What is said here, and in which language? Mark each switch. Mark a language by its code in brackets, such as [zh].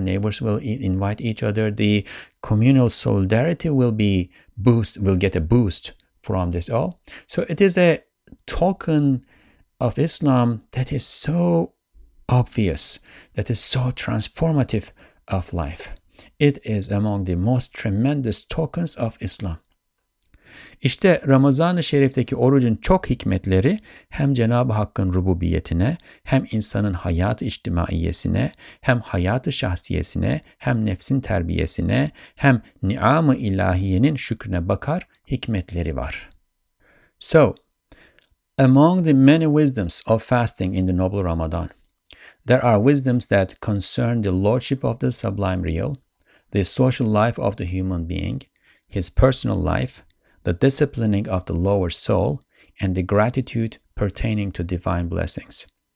[en] Neighbors will invite each other. The communal solidarity will get a boost from this all. So it is a token of Islam that is so obvious, that is so transformative of life. It is among the most tremendous tokens of Islam. [tr] İşte Ramazan-ı Şerif'teki orucun çok hikmetleri hem Cenab-ı Hakk'ın rububiyetine, hem insanın hayat-ı içtimaiyesine, hem hayat-ı şahsiyesine, hem nefsin terbiyesine, hem ni'am-ı ilahiyenin şükrüne bakar hikmetleri var. [en] So, among the many wisdoms of fasting in the noble Ramadan, there are wisdoms that concern the lordship of the sublime real, the social life of the human being, his personal life, the disciplining of the lower soul, and the gratitude pertaining to divine blessings.